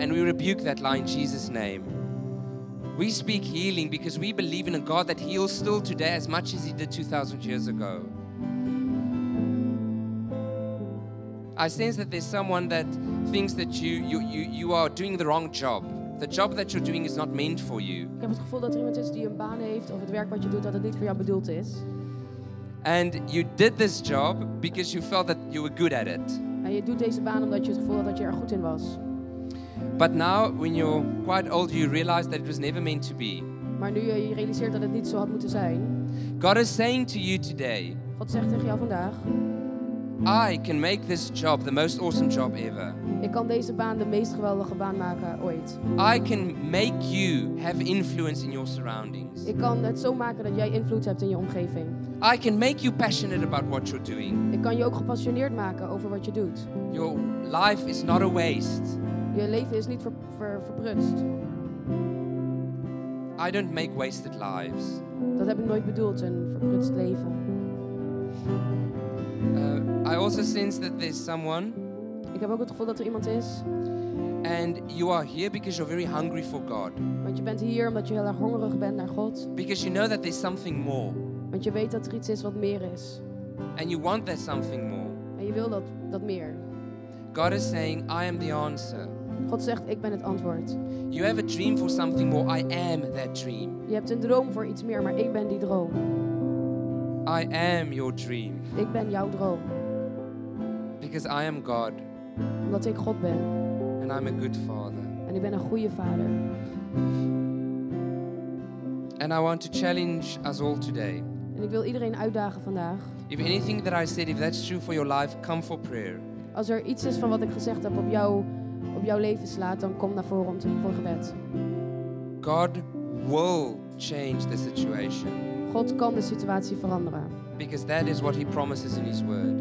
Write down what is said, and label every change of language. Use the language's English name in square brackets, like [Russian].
[English] And we rebuke that lie in Jesus' name. We speak healing because we believe in a God that heals still today as much as He did 2,000 years ago. I sense that there's someone that thinks that you are doing the wrong job. The job that you're doing is not meant for you. [Dutch] Ik heb het gevoel dat er iemand is die een baan heeft of het werk wat je doet dat het niet voor jou bedoeld is. [English] And you did this job because you felt that you were good at it. [Dutch] En je doet deze baan omdat je het gevoel had dat je er goed in was. [English] But now, when you're quite old, you realize that it was never meant to be. [Dutch] Maar nu je realiseert dat het niet zo had moeten zijn. [English] God is saying to you today. [Dutch] God zegt tegen jou vandaag. [English] I can make this job the most awesome job ever. [Dutch] Ik kan deze baan de meest geweldige baan maken ooit. [English] I can make you have influence in your surroundings. [Dutch] Ik kan het zo maken dat jij invloed hebt in je omgeving. [English] I can make you passionate about what you're doing. [Dutch] Ik kan je ook gepassioneerd maken over wat je doet. [English] Your life is not a waste. [Dutch] Je leven is niet verprutst. [English] I don't make wasted lives. [Dutch] Dat heb ik nooit bedoeld, een verprutst leven. [English] I also sense that there's someone. [Dutch] Ik heb ook het gevoel dat er iemand is. [English] And you are here because you're very hungry for God. [Dutch] Want je bent hier omdat je heel erg hongerig bent naar God. [English] Because you know that there's something more. [Dutch] Want je weet dat er iets is wat meer is. [English] And you want that something more. [Dutch] En je wil dat meer. [English] God is saying, I am the answer. [Dutch] God zegt, ik ben het antwoord. [English] You have a dream for something more. I am that dream. [Dutch] Je hebt een droom voor iets meer, maar ik ben die droom. [English] I am your dream. [Dutch] Ik ben jouw droom. [English] Because I am God. [Dutch] Omdat ik God ben. [English] And I'm a good father. [Dutch] En ik ben een goede vader. [English] And I want to challenge us all today. [Dutch] En ik wil iedereen uitdagen vandaag. [English] If anything that I said, if that's true for your life, come for prayer. [Dutch] Als er iets is van wat ik gezegd heb op jouw leven slaat, dan kom naar voren voor gebed. [English] God will change the situation. [Dutch] God kan de situatie veranderen. [English] Because that is what He promises in His word.